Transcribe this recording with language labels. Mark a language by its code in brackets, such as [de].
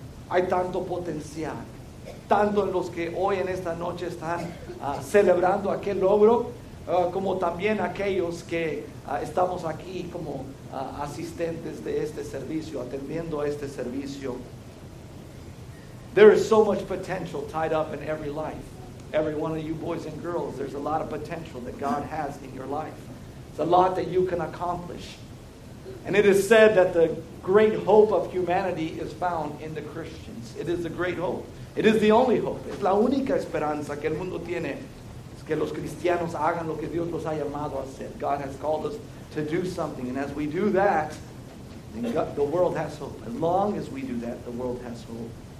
[es] Hay tanto potencial, tanto en los que hoy en esta noche están celebrando aquel logro, como también aquellos que estamos aquí como asistentes de este servicio, atendiendo a este servicio. [en] There is so much potential tied up in every life. Every one of you boys and girls, there's a lot of potential that God has in your life. It's a lot that you can accomplish. And it is said that the great hope of humanity is found in the Christians. It is the great hope. It is the only hope. [es] Es la única esperanza que el mundo tiene. Es que los cristianos hagan lo que Dios los ha llamado a hacer. [en] God has called us to do something. And as we do that, then God, the world has hope. As long as we do that, the world has hope.